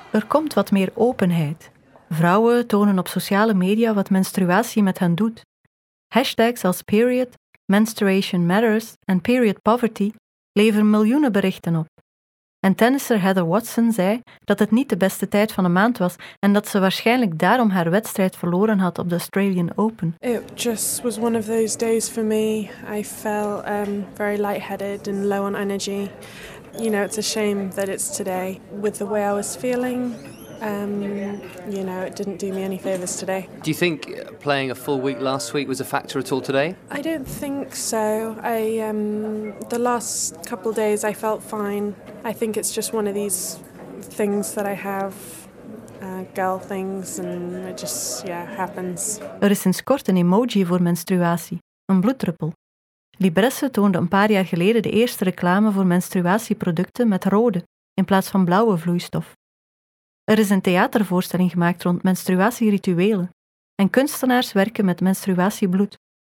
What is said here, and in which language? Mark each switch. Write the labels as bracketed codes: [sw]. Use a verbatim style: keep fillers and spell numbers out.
[nl] Er komt wat meer openheid. Vrouwen tonen op sociale media wat menstruatie met hen doet. Hashtags als period, menstruation matters en period poverty leveren miljoenen berichten op. En tennisser Heather Watson zei dat het niet de beste tijd van de maand was en dat ze waarschijnlijk daarom haar wedstrijd verloren had op de Australian Open. [en] It just was one of those days for me. I felt um, very lightheaded and low on energy. You know, it's a shame that it's today. With the way I was feeling. Um, you know, it didn't do me any favours today. Do you think playing a full week last week was a factor at all today? I don't think so. I um, the last couple of days I felt fine. I think it's just one of these things that I have, uh, girl things, and it just, yeah, happens. [nl] Er is sinds kort een emoji voor menstruatie, een bloeddruppel. Libresse toonde een paar jaar geleden de eerste reclame voor menstruatieproducten met rode in plaats van blauwe vloeistof. Er is een theatervoorstelling gemaakt rond menstruatierituelen en kunstenaars werken met menstruatiebloed.